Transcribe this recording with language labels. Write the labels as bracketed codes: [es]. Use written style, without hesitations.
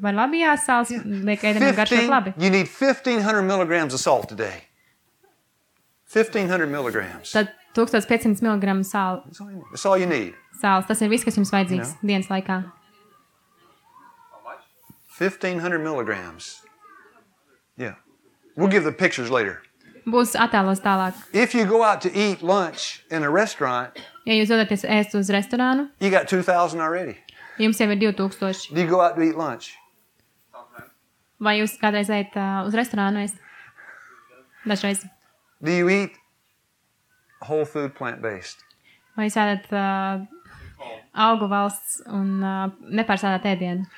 [lv] Vai labi, jā, sāls liek ēdami garšot labi. [en] You need 1500 milligrams of salt today. 1500 milligrams. [lv] Tad 1500 milligramu sāli. [en] That's all you need. [lv] Sāls, tas ir viss, kas jums vajadzīgs dienas laikā. [en] 1500 milligrams. Yeah. We'll give the pictures later. [lv] Būs attēlos tālāk. [en] If you go out to eat lunch in a restaurant, [lv] ja jūs dodaties ēst uz restorānu, [en] you got 2,000 already. [lv] Jums jau ir 2,000. [en] Do you go out to eat lunch? [lv] Vai jūs kādreiz ejat uz restorānu ēst? Dažreiz. [en] Do you eat whole food plant-based? [lv] Vai jūs ēdat augu valsts un nepārsādāt ēdienu?